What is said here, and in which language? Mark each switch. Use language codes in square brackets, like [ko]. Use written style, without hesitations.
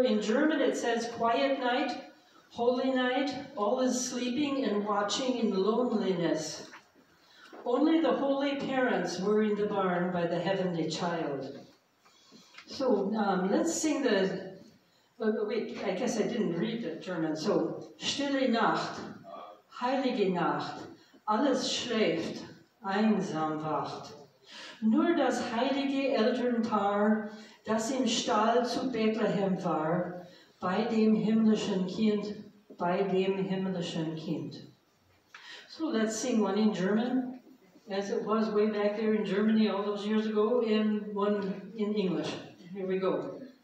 [en] In German it says, quiet night, holy night, all is sleeping and watching in loneliness. Only the holy parents were in the barn by the heavenly child. So let's sing the, wait, I guess I didn't read the German. [de] So, Stille Nacht, Heilige Nacht, alles schläft, einsam wacht. Nur das heilige Elternpaar, das im Stall zu Bethlehem war, bei dem himmlischen Kind. [en] So let's sing one in German, as it was way back there in Germany all those years ago, and one in English. Here we go.